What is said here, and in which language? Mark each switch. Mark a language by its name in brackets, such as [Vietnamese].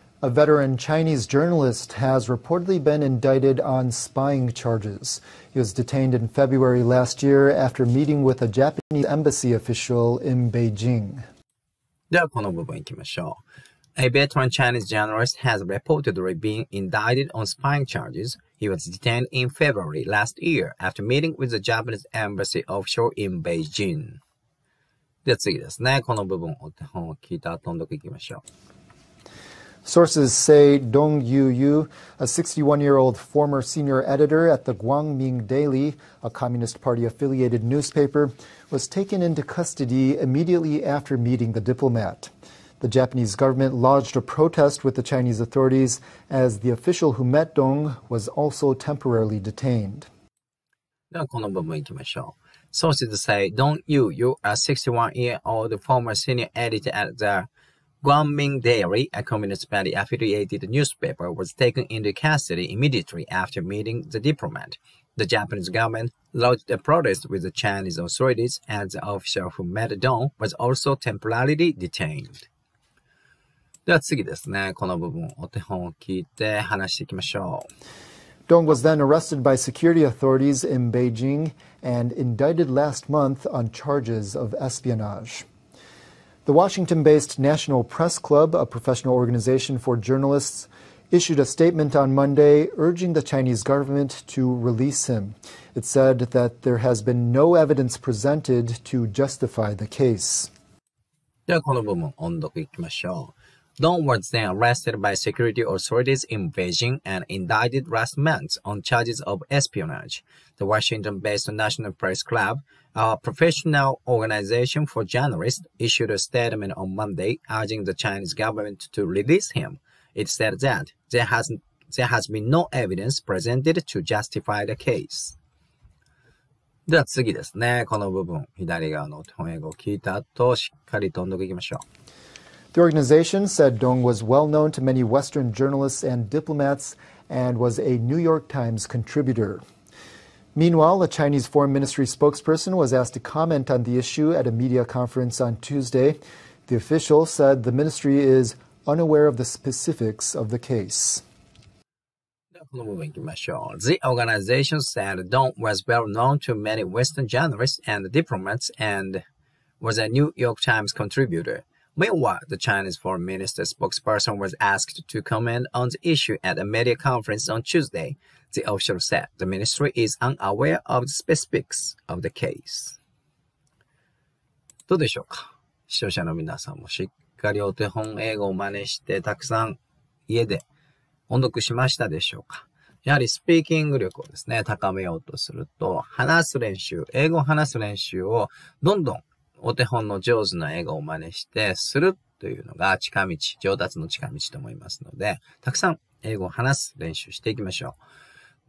[English] A veteran Chinese journalist has reportedly been indicted on spying charges. He was detained in February last year after meeting with a Japanese embassy official in Beijing. [Japanese] ではこの部分いきましょう。 [English] A veteran Chinese journalist has reportedly been indicted on spying charges. He was detained in February last year after meeting with the Japanese embassy official in Beijing. [Japanese] では次ですね。この部分を手本を聞いた後、音読いきましょう。 [English] Sources say Dong Yuyu, a 61-year-old former senior editor at the Guangming Daily, a Communist Party-affiliated newspaper, was taken into custody immediately after meeting the diplomat. The Japanese government lodged a protest with the Chinese authorities as the official who met Dong was also temporarily detained. [Japanese] ではこの部分いきましょう。 [English] Sources say Dong Yuyu, a 61-year-old former senior editor at the Guangming Daily, a Communist Party affiliated newspaper, was taken into custody immediately after meeting the diplomat. The Japanese government lodged a protest with the Chinese authorities, and the official who met Dong was also temporarily detained. [Japanese] では次ですね。この部分、お手本を聞いて話していきましょう。 [English] Dong was then arrested by security authorities in Beijing and indicted last month on charges of espionage. The Washington-based National Press Club, a professional organization for journalists, issued a statement on Monday urging the Chinese government to release him. It said that there has been no evidence presented to justify the case. [Japanese] ではこの部分音読いきましょう。 [English] Dong was then arrested by security authorities in Beijing and indicted last month on charges of espionage. The Washington-based National Press Club, a professional organization for journalists, issued a statement on Monday urging the Chinese government to release him. It said that there has been no evidence presented to justify the case. [Japanese] では次ですね。この部分、左側の翻訳を聞いた後、しっかりと読んでいきましょう。 [English] The organization said Dong was well known to many Western journalists and diplomats and was a New York Times contributor. Meanwhile, a Chinese foreign ministry spokesperson was asked to comment on the issue at a media conference on Tuesday. The official said the ministry is unaware of the specifics of the case. The organization said Dong was well known to many Western journalists and diplomats and was a New York Times contributor. Meanwhile, the Chinese foreign minister spokesperson was asked to comment on the issue at a media conference on Tuesday. The official said the ministry is unaware of the specifics of the case. [Japanese] どうでしょうか？視聴者の皆さんもしっかりお手本英語を真似してたくさん家で音読しましたでしょうか？やはりスピーキング力をですね、高めようとすると、話す練習、英語を話す練習をどんどんお手本の上手な英語を真似してするというのが近道、上達の近道と思いますので、たくさん英語を話す練習していきましょう。